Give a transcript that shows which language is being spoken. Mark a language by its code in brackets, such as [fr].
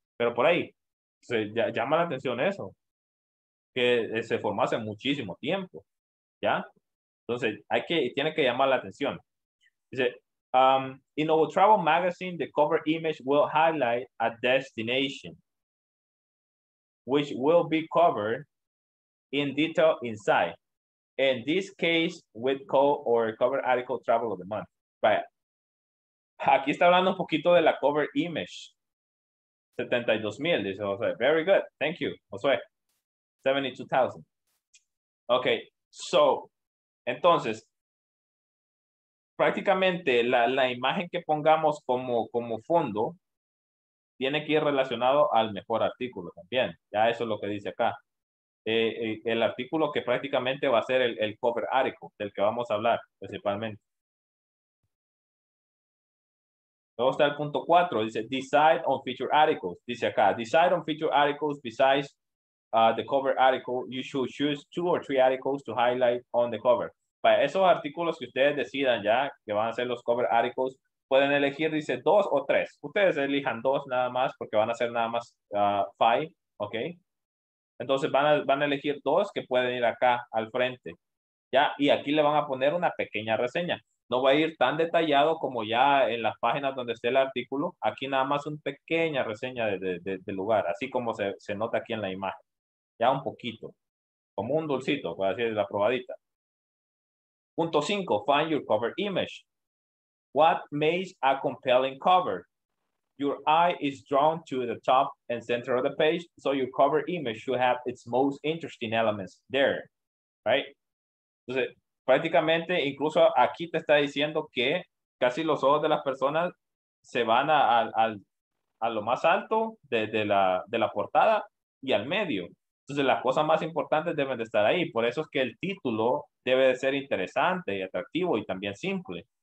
[es] Pero por ahí, se llama la atención eso, que se formó hace muchísimo tiempo, ¿ya? Entonces, tiene que llamar la atención. Dice, [en] in our travel magazine, the cover image will highlight a destination, which will be covered in detail inside. In this case, with cover article travel of the month. Right. [es] Aquí está hablando un poquito de la cover image. [en] 72,000, [es] dice [en] Jose. Very good. Thank you, Jose. 72,000. Okay, so, [es] entonces, prácticamente la imagen que pongamos como fondo tiene que ir relacionado al mejor artículo también. Ya eso es lo que dice acá. El artículo que prácticamente va a ser el cover article del que vamos a hablar principalmente. Luego está el punto 4. Dice, [en] decide on feature articles. [es] Dice acá, [en] decide on feature articles besides the cover article. You should choose 2 or 3 articles to highlight on the cover. [es] Para esos artículos que ustedes decidan ya, que van a ser los cover articles, pueden elegir, dice, 2 o 3. Ustedes elijan 2 nada más porque van a ser nada más 5, ¿ok? Entonces van a elegir 2 que pueden ir acá al frente, ¿ya? Y aquí le van a poner una pequeña reseña. No va a ir tan detallado como ya en las páginas donde esté el artículo. Aquí nada más una pequeña reseña de lugar, así como se nota aquí en la imagen. Ya un poquito, como un dulcito, puede decir, la probadita. Punto 5, [en] find your cover image. What makes a compelling cover? Your eye is drawn to the top and center of the page, so your cover image should have its most interesting elements there, right? [es] Entonces, prácticamente, incluso aquí te está diciendo que casi los ojos de las personas se van a lo más alto de la portada y al medio. Entonces, las cosas más importantes deben de estar ahí. Por eso es que el título debe de ser interesante y atractivo y también simple.